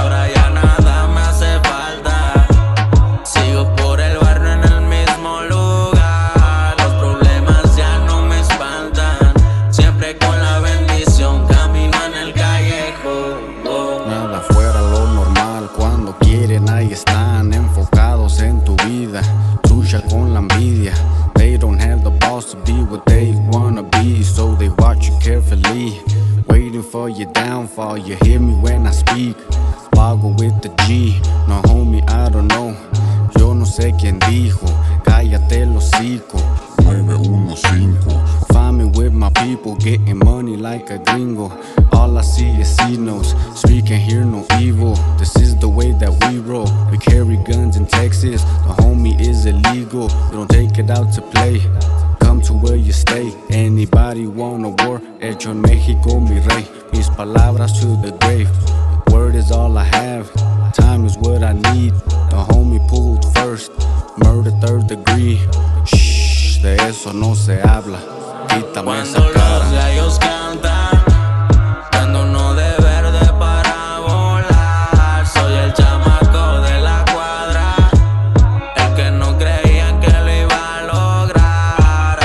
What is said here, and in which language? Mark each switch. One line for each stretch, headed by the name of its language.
Spanish: Ahora ya nada me hace falta, sigo por el barrio en el mismo lugar, los problemas ya no me espantan, siempre con la bendición camino en el callejón. Nada fuera lo normal, cuando quieren ahí están, enfocados en tu vida. Con la envidia,
English: they don't have the balls to be what they wanna be, so they watch you carefully, waiting for your downfall. You hear me when I speak, Vago with the G, no homie, I don't know,
Spanish: yo no sé quién dijo, cállate el hocico.
English: 915, farming with my people, getting money like a gringo. All I see is sinos, speak and hear no evil. This is the way that we roll. We carry guns in Texas, the homie is illegal. We don't take it out to play, come to where you stay. Anybody wanna war?
Spanish: Hecho en México, mi rey. Mis palabras
English: to the grave, word is all I have. Time is what I need, the homie pulled first, murder third degree.
Spanish: De eso no se habla, quítame cuando esa cara. Cuando los gallos cantan, dándonos de verde para volar, soy el chamaco de la cuadra, el que no creían que lo iba a lograr.